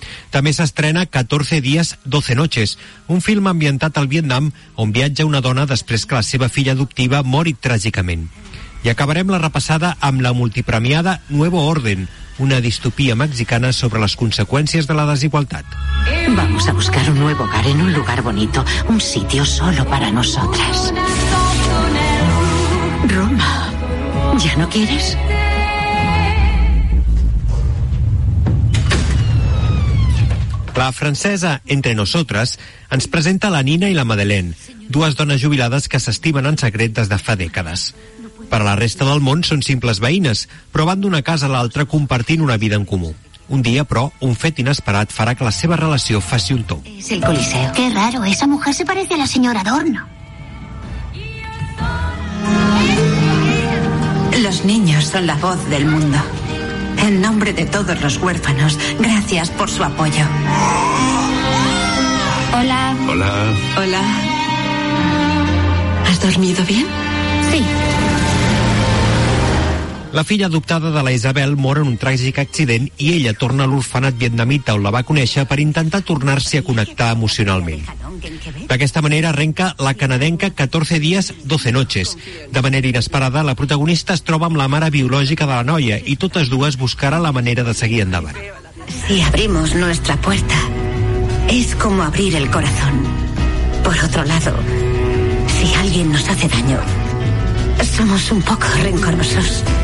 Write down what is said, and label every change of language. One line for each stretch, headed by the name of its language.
Catalan: També s'estrena 14 dies, 12 noches, un film ambientat al Vietnam on viatja una dona després que la seva filla adoptiva mori tràgicament. I acabarem la repassada amb la multipremiada Nuevo Orden, una distopia mexicana sobre les conseqüències de la desigualtat.
Spanish: Vamos a buscar un nuevo hogar en un lugar bonito, un sitio solo para nosotras. Roma, ¿ya no quieres?
Catalan: La francesa Entre Nosotras ens presenta la Nina i la Madeleine, dues dones jubilades que s'estimen en secret des de fa dècades. Per a la resta del món són simples veïnes, però van d'una casa a l'altra compartint una vida en comú. Un dia, però, un fet inesperat farà que la seva relació faci un tomb.
Spanish: Es el Coliseo. Qué raro, esa mujer se parece a la señora Adorno. Los niños son la voz del mundo. En nombre de todos los huérfanos, gracias por su apoyo. Hola. Hola. Hola. ¿Has dormido bien? Sí.
Catalan: La filla adoptada de la Isabel mor en un tràgic accident i ella torna a l'orfanat vietnamita on la va conèixer per intentar tornar-se a connectar emocionalment. D'aquesta manera arrenca la canadenca 14 dies, 12 noches. De manera inesperada, la protagonista es troba amb la mare biològica de la noia i totes dues buscarà la manera de seguir endavant.
Spanish: Si abrimos nuestra puerta, es como abrir el corazón. Por otro lado, si alguien nos hace daño, somos un poco rencorosos.